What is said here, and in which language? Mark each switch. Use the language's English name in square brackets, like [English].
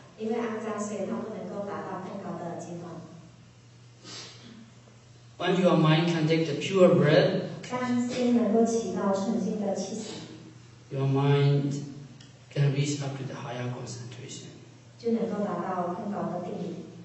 [Chinese] 因为肮脏，所以它不能够达到更高的阶段。 [English] When your mind can take the pure breath, [Chinese] 当心能够起到纯净的气息 [English] your mind can reach up to the higher concentration. [Chinese] 就能够达到更高的定力。